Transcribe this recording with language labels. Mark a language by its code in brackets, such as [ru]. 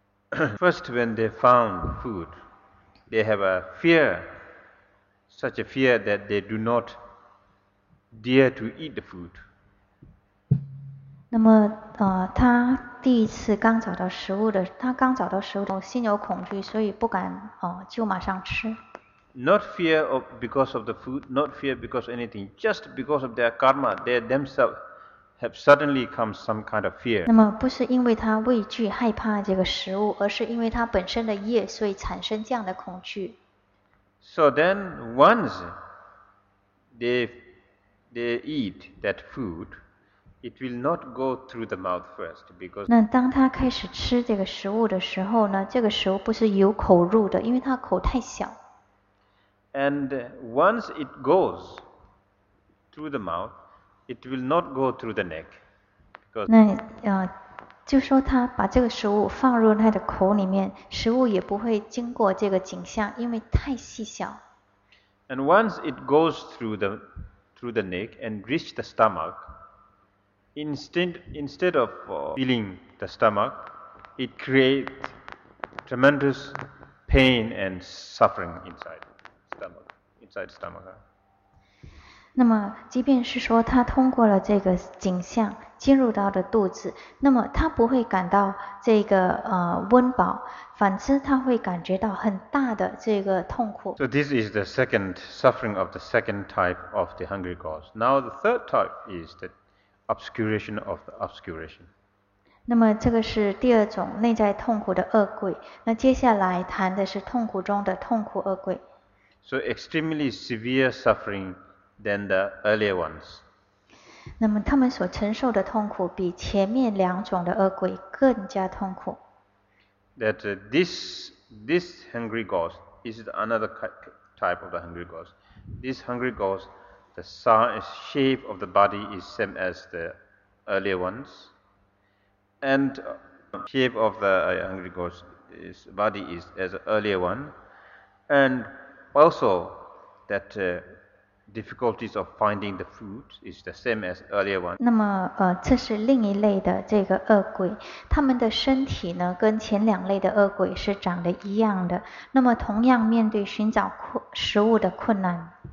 [en] First, when they found food, they have a fear, such a fear that they do not dare to eat the food. [zh] 那么，他第一次刚找到食物的，他刚找到食物，心有恐惧，所以不敢就马上吃。 [en] Not fear of because of the food, not fear because of anything, just because of their karma, they themselves. Have suddenly come some kind of fear. [zh] 那么不是因为他畏惧害怕这个食物，而是因为他本身的业，所以产生这样的恐惧。 [en] So then, once they eat that food, it will not go through the mouth first because. [zh] 那当他开始吃这个食物的时候呢，这个食物不是由口入的，因为他口太小。 [en] And once it goes through the mouth, it will not go through the neck. Because [zh] 那就说他把这个食物放入他的口里面，食物也不会经过这个颈项，因为太细小。 [en] And once it goes through the neck and reach the stomach, instead of feeling the stomach, it creates tremendous pain and suffering inside stomach. [zh] 那么，即便是说他通过了这个颈项进入到的肚子，那么他不会感到这个温饱，反之他会感觉到很大的这个痛苦。 [en] So this is the second suffering of the second type of the hungry ghost. Now the third type is the obscuration of the obscuration. [zh] 那么这个是第二种内在痛苦的恶鬼。那接下来谈的是痛苦中的痛苦恶鬼。 [en] So extremely severe suffering than the earlier ones. [zh] 那么他们所承受的痛苦比前面两种的恶鬼更加痛苦。 [en] That this hungry ghost is another type of the hungry ghost. This hungry ghost, the shape of the body is same as the earlier ones, and shape of the hungry ghost's body is as earlier one, and also that difficulties of finding the food is the same as earlier one. [zh] 那么，这是另一类的这个恶鬼，他们的身体呢，跟前两类的恶鬼是长得一样的。那么，同样面对寻找食物的困难。